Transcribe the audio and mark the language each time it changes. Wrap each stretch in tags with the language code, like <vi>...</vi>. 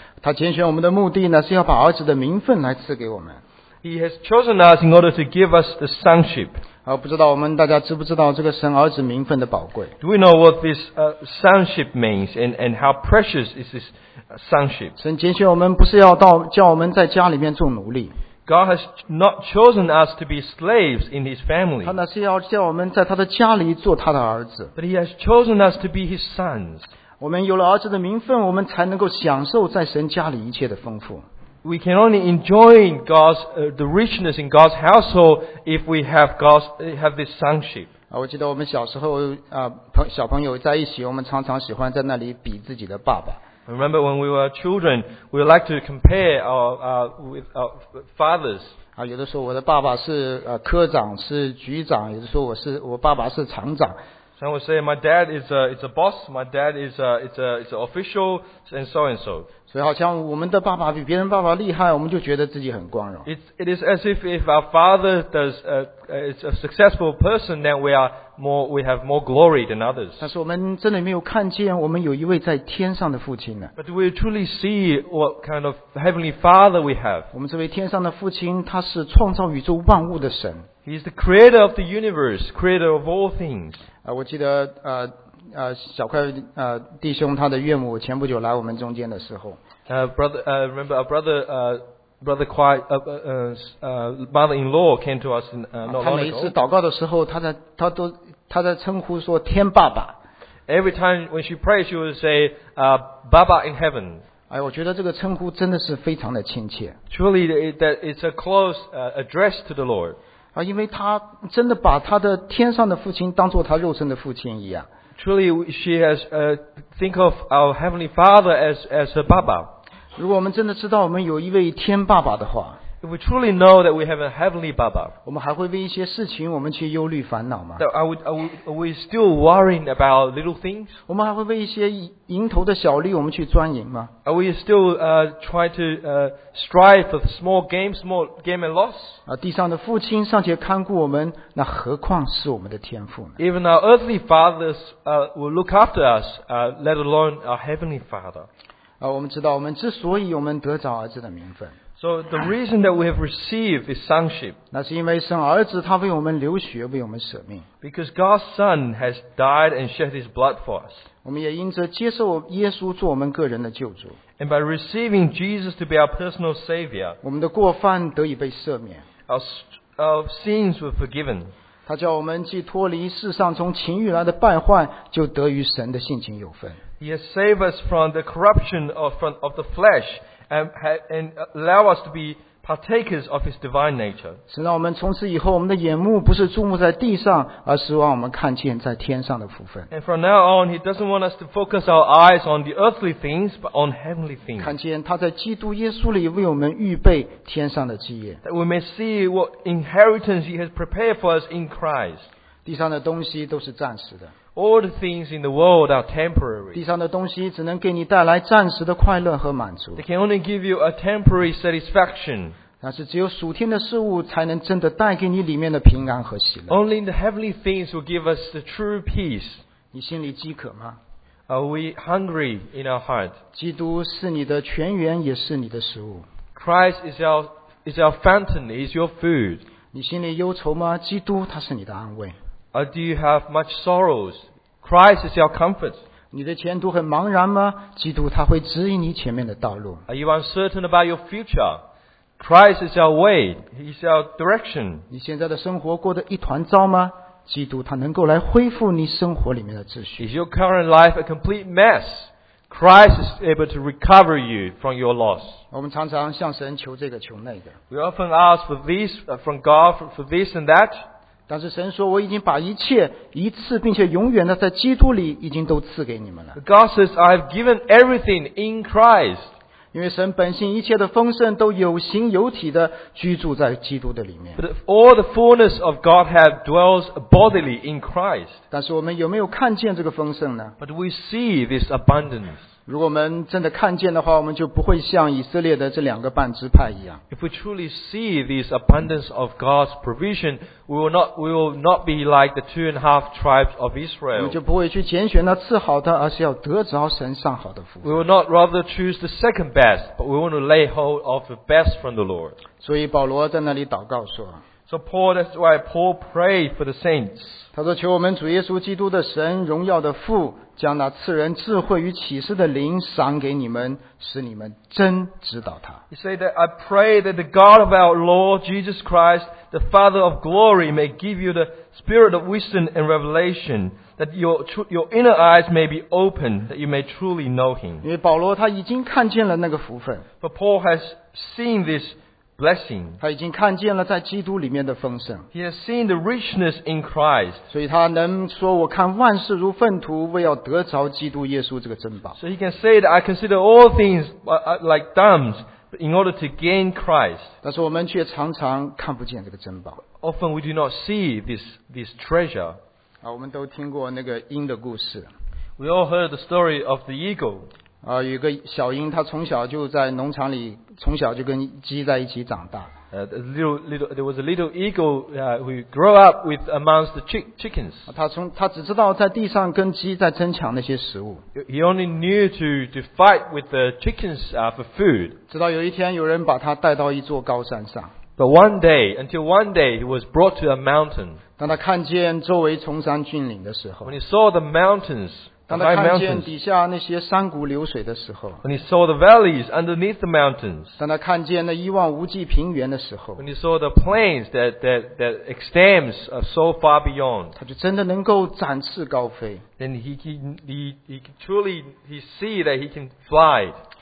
<zh>他拣选我们的目的呢，是要把儿子的名分来赐给我们。</zh> <en>He has chosen us in order to give us the sonship.</en> <zh>不知道我们大家知不知道这个神儿子名分的宝贵。</zh> <en>Do we know what this sonship means and how precious is this sonship?</en> <zh>神拣选我们不是要到叫我们在家里面做奴隶。</zh> <en>God has not chosen us to be slaves in his family.</en> <zh>他那是要叫我们在他的家里做他的儿子。</zh> <en>But he has chosen us to be his sons.</en> <zh>我们有了儿子的名分，我们才能够享受在神家里一切的丰富。</zh> <en>We can only enjoy God's the richness in God's household if we have have this sonship.</en> <zh>我记得我们小时候小朋友在一起，我们常常喜欢在那里比自己的爸爸。</zh> <en>Remember when we were children, we like to compare with our fathers.</en> <zh>有的时候我的爸爸是科长，是局长；有的时候我爸爸是厂长。</zh> <en>Some would say my dad is a boss, my dad is an official, and so and so.</en> <zh>所以好像我们的爸爸比别人爸爸厉害，我们就觉得自己很光荣。</zh> <en>It is as if our father is a successful person, then we have more glory than others.</en> <zh>但是我们真的没有看见，我们有一位在天上的父亲呢。</zh> <en>But do we truly see what kind of heavenly father we have?</en> <zh>我们这位天上的父亲，他是创造宇宙万物的神。</zh> <en>He is the creator of the universe, creator of all things.</en> <zh>我记得小块弟兄他的岳母前不久来我们中间的时候。</zh> <en>Brother-in-law came to us not long ago.</en> <zh>他每一次祷告的时候，他在称呼说天爸爸。</zh> <en>Every time when she prays, she would say, "Baba in heaven."</en> <zh>我觉得这个称呼真的是非常的亲切。</zh> <en>Truly, that it's a close address to the Lord.</en> <zh>因为他真的把他的天上的父亲当做他肉身的父亲一样。</zh> <en>Truly, she has think of our heavenly Father as her Baba.</en> <zh>如果我们真的知道我们有一位天爸爸的话，</zh> <en>If we truly know that we have a heavenly Baba,</en> <zh>我们还会为一些事情我们去忧虑烦恼吗？</zh> <en>Are we still worrying about little things?</en> <zh>我们还会为一些蝇头的小利我们去钻营吗？</zh> <en>Are we still trying to strive for small game and loss?</en> <zh>地上的父亲尚且看顾我们，那何况是我们的天父呢？</zh> <en>Even our earthly fathers will look after us, let alone our heavenly Father.</en> <zh>我们知道，我们之所以我们得着儿子的名分。</zh> <en>So the reason that we have received is sonship.</en> <zh>那是因为神儿子他为我们流血，为我们舍命。</zh> <en>Because God's Son has died and shed His blood for us.</en> <zh>我们也因着接受耶稣做我们个人的救主。</zh> <en>And by receiving Jesus to be our personal Savior,</en> <zh>我们的过犯得以被赦免。</zh> <en>Our sins were forgiven.</en> <zh>他叫我们既脱离世上从情欲来的败坏，就得与神的性情有分。</zh> <en>He has saved us from the corruption of the flesh. And allow us to be partakers of His divine nature.</en> <zh>神让我们从此以后，我们的眼目不是注目在地上，而是让我们看见在天上的福分。</zh> <en>And from now on, He doesn't want us to focus our eyes on the earthly things, but on heavenly things.</en> <zh>看见他在基督耶稣里为我们预备天上的基业。</zh> <en>That we may see what inheritance He has prepared for us in Christ.</en> <zh>地上的东西都是暂时的。</zh> <en>All the things in the world are temporary.</en> <zh>地上的东西只能给你带来暂时的快乐和满足。</zh> <en>They can only give you a temporary satisfaction.</en> <zh>但是只有属天的事物才能真的带给你里面的平安和喜乐。</zh> <en>Only the heavenly things will give us the true peace.</en> <zh>你心里饥渴吗？</zh> <en>Are we hungry in our heart?</en> <zh>基督是你的泉源，也是你的食物。</zh> <en>Christ is our fountain, is your food.</en> <zh>你心里忧愁吗？基督他是你的安慰。</zh> <en>Or do you have much sorrows? Christ is your comfort.</en> <zh>你的前途很茫然吗？基督他会指引你前面的道路。</zh> <en>Are you uncertain about your future? Christ is your way. He is your direction.</en> <zh>你现在的生活过得一团糟吗？基督他能够来恢复你生活里面的秩序。</zh> <en>Is your current life a complete mess? Christ is able to recover you from your loss.</en> <zh>我们常常向神求这个求那个。</zh> <en>We often ask for this from God for this and that.</en> <zh>但是神说我已经把一切一次并且永远的在基督里已经都赐给你们了。</zh> <en>God says, I have given everything in Christ.</en> <zh>因为神本性一切的丰盛都有形有体的居住在基督的里面。</zh> <en>But all the fullness of God have dwells bodily in Christ.</en> <zh>但是我们有没有看见这个丰盛呢？</zh> <en>But we see this abundance.</en> <zh>如果我们真的看见的话，我们就不会像以色列的这两个半支派一样。</zh> <en>If we truly see this abundance of God's provision, we will not be like the two and a half tribes of Israel.</en> <zh>我们就不会去拣选那次好的，而是要得着神上好的福分。</zh> <en>We will not rather choose the second best, but we want to lay hold of the best from the Lord.</en> <zh>所以保罗在那里祷告说。</zh> <en>So Paul, that's why Paul prayed for the saints.</en> <zh>他说：“求我们主耶稣基督的神，荣耀的父。” 将那赐人智慧与启示的灵赏给你们，使你们真知道他。</zh> <en>He said that I pray that the God of our Lord Jesus Christ, the Father of glory, may give you the spirit of wisdom and revelation, that your inner eyes may be opened, that you may truly know Him.</en> <zh>因为保罗他已经看见了那个福分。</zh> <en>But Paul has seen this blessing.</en> <zh>他已经看见了在基督里面的丰盛。</zh> <en>He has seen the richness in Christ.</en> <zh>所以他能说我看万事如粪土，为要得着基督耶稣这个珍宝。</zh> <en>So he can say that I consider all things like dumps in order to gain Christ.</en> <zh>但是我们却常常看不见这个珍宝。</zh> <en>Often we do not see this treasure.</en> <zh>我们都听过那个鹰的故事。</zh> <en>We all heard the story of the eagle.</en> <zh>有个小鹰，它从小就在农场里，从小就跟鸡在一起长大。</zh> <en>There was a little eagle who grew up with amongst the chickens.</en> <zh>它只知道在地上跟鸡在争抢那些食物。</zh> <en>He only knew to fight with the chickens for food.</en> <zh>直到有一天，有人把它带到一座高山上。</zh> <en>But one day, until one day, he was brought to a mountain.</en> <zh>当他看见周围崇山峻岭的时候</zh> <en>，When he saw the mountains.</en> <zh>当他看见底下那些山谷流水的时候</zh> <en>，When he saw the valleys underneath the mountains，</en> <zh>当他看见那一望无际平原的时候</zh> <en>，When he saw the plains that extends so far beyond，</en> <zh>他就真的能够展翅高飞。</zh> <en>Then he truly see that he can fly。</en>